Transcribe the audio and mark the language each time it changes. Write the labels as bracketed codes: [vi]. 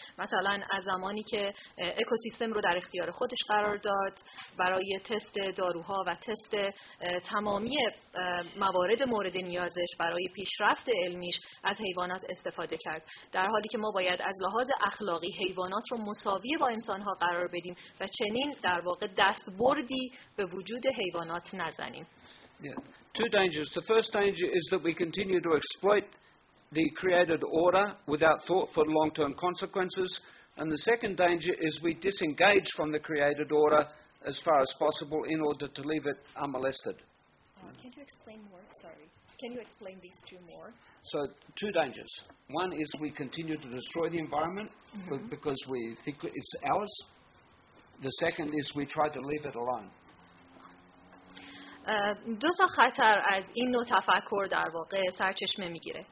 [fa] مثلا از زمانی که اکوسیستم رو در اختیار خودش قرار داد برای تست داروها و تست تمامی موارد مورد نیازش برای پیشرفت علمیش از حیوانات استفاده کرد، در حالی که ما باید از لحاظ اخلاقی حیوانات رو مساوی با انسان‌ها قرار بدیم و چنین در واقع دست بردی به وجود حیوانات نزنیم. [en] Two dangers. The first danger is that we continue to exploit the created order without thought for long-term consequences. And the second danger is we disengage from the created order as far as possible in order to leave it unmolested. Can you explain more? Sorry. Can you explain these two more? So, two dangers. One is we continue to destroy the environment because we think it's ours. The second is we try to leave it alone. [fa] دو تا خطر از این نوع تفکر در واقع سرچشمه میگیره.